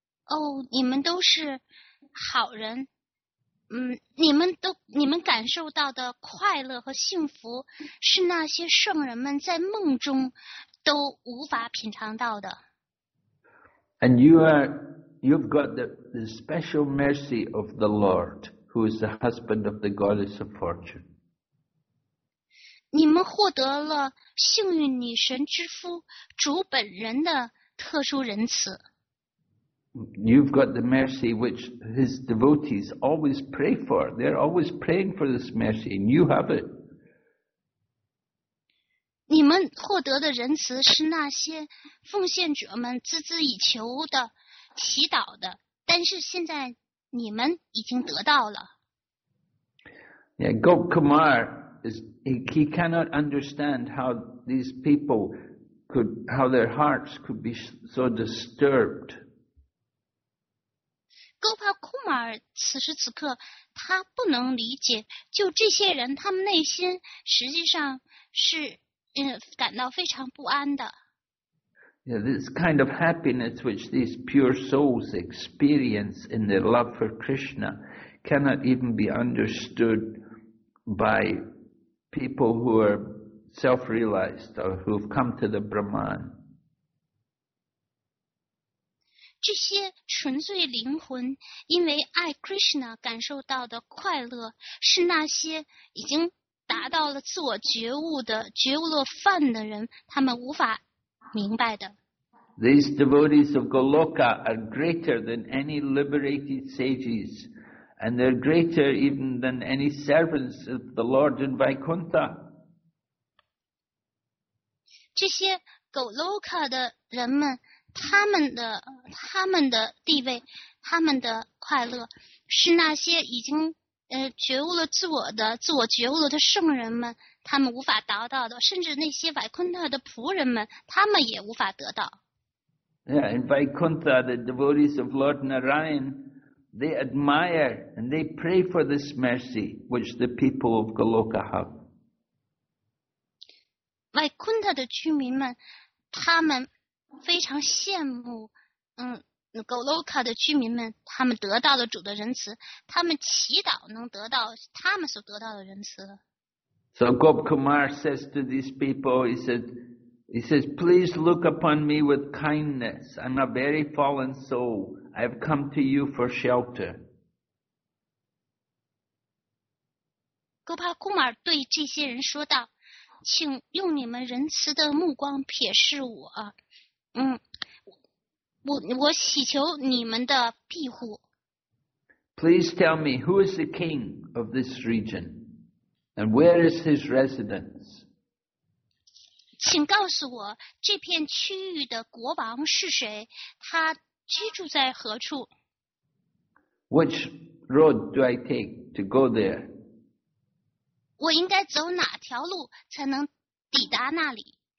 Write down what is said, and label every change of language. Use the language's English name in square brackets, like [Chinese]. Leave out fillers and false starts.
[Chinese] 哦，你们都是好人，你们感受到的快乐和幸福，是那些圣人们在梦中都无法品尝到的。 [English] And you've got the special mercy of the Lord, who is the husband of the goddess of fortune. [Chinese] 你们获得了幸运女神之夫主本人的特殊仁慈。 [English] You've got the mercy which his devotees always pray for. They're always praying for this mercy, and you have it. [Chinese] 你们获得的仁慈是那些奉献者们孜孜以求的祈祷的，但是现在你们已经得到了。 [English] Yeah, Gopkumar he cannot understand how these people could, how their hearts could be so disturbed. [Chinese] Gopkumar 此时此刻他不能理解，就这些人他们内心实际上是感到非常不安的。 [English] Yeah, this kind of happiness which these pure souls experience in their love for Krishna cannot even be understood by people who are self-realized or who've come to the Brahman. [Chinese] 这些纯粹灵魂因为爱 Krishna 感受到的快乐，是那些已经达到了自我觉悟的觉悟落范的人他们无法明白的。 [English] These devotees of Goloka are greater than any liberated sages, and they're greater even than any servants of the Lord in Vaikuntha. [Chinese] 这些 Goloka 的人们，他们的地位，他们的快乐，是那些已经觉悟了自我的、自我觉悟了的圣人们，他们无法达到的，甚至那些维昆特的仆人们，他们也无法得到。 [English] Yeah, in Vaikuntha, the devotees of Lord Narayan, they admire and they pray for this mercy which the people of Goloka have. [Chinese] Vaikuntha 的居民们，他们非常羡慕，Goloka 的居民们，他们得到了主的仁慈，他们祈祷能得到他们所得到的仁慈。 [English] So Gop Kumar says to these people, he says, please look upon me with kindness. I'm a very fallen soul. I've come to you for shelter. [Chinese] Gopal Kumar 对这些人说道，请用你们仁慈的目光瞥视我。我祈求你们的庇护。 [English] Please tell me, who is the king of this region? And where is his residence? [Chinese] 请告诉我这片区域的国王是谁，他居住在何处。 [English] Which road do I take to go there? [Chinese] 我应该走哪条路才能抵达那里。